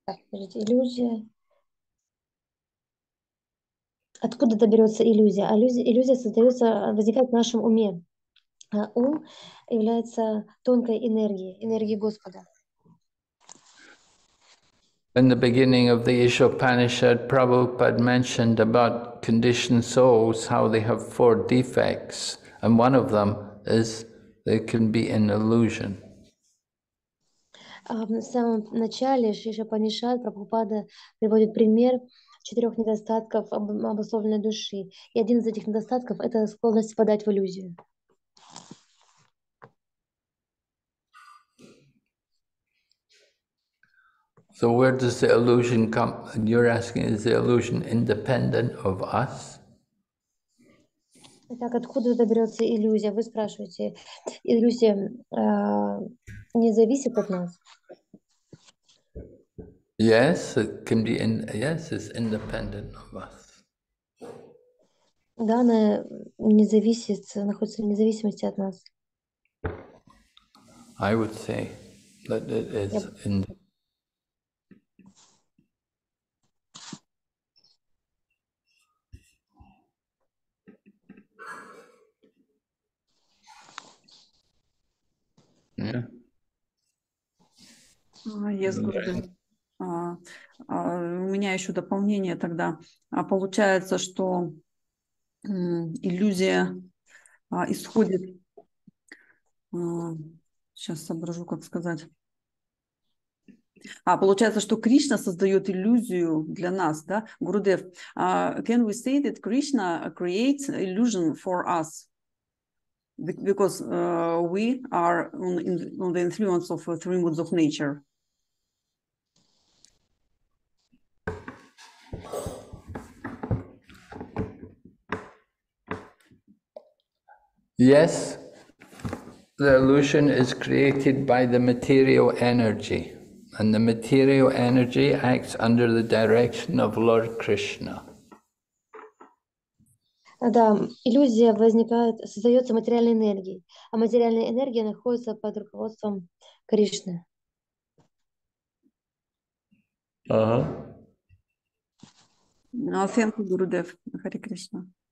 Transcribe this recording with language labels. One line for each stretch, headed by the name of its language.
Russian: Иллюзия. Откуда-то берется иллюзия? Иллюзия создается, возникает в нашем уме. А ум является тонкой энергией, энергией Господа.
English: In the beginning of the Ishopanishad, Prabhupada mentioned about conditioned souls, how they have four defects, and one of them is they can be an illusion.
Russian: В самом начале Ишопанишад Прабхупада приводит пример четырех недостатков обусловленной души. И один из этих недостатков – это склонность впадать в иллюзию.
English: So where does the illusion come? And you're asking, is the illusion independent of us?
Russian: Итак, откуда доберется иллюзия? Вы спрашиваете, иллюзия не зависит от нас?
English: Yes, it can be in, yes, it's independent of us.
Russian: Да, она не зависит, находится в независимости от нас.
English: I would say that it is in.
Russian: Yes, у меня еще дополнение тогда. Получается, что иллюзия исходит. Сейчас соображу, как сказать. Получается, что Кришна создает иллюзию для нас, да, Гурудев?
English: Can we say that Krishna creates illusion for us? Because we are on the influence of three modes of nature. Yes, the illusion is created by the material energy, and the material energy acts under the direction of Lord Krishna.
Russian: Да, иллюзия возникает, создается материальной энергией, а материальная энергия находится под руководством Кришны.
English: Thank you, Gurudev. Hare Krishna.